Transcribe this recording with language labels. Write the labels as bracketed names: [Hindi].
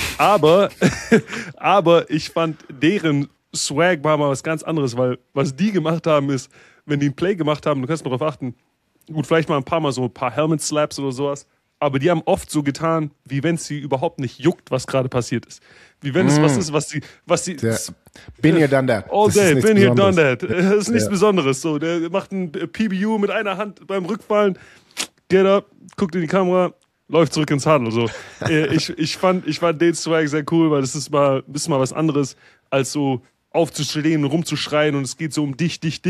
[German] Aber, aber ich fand deren Swag war mal was ganz anderes. Weil was die gemacht haben ist, wenn die ein Play gemacht haben, du kannst mal drauf achten, gut, vielleicht mal ein paar Mal so ein paar Helmet Slaps oder sowas. Aber die haben oft so getan, wie wenn es sie überhaupt nicht juckt, was gerade passiert ist. Wie wenn es was ist, was sie. [English] Been here, done that. All day, been here, done that. [German] Das ist nichts Besonderes. So, der macht ein PBU mit einer Hand beim Rückfallen. [English] Get up, [German] guckt in die Kamera, läuft zurück ins Huddle. So. ich fand den Swag sehr cool, weil das ist mal ein bisschen mal was anderes, als so aufzustehen und rumzuschreien und es geht so um dich.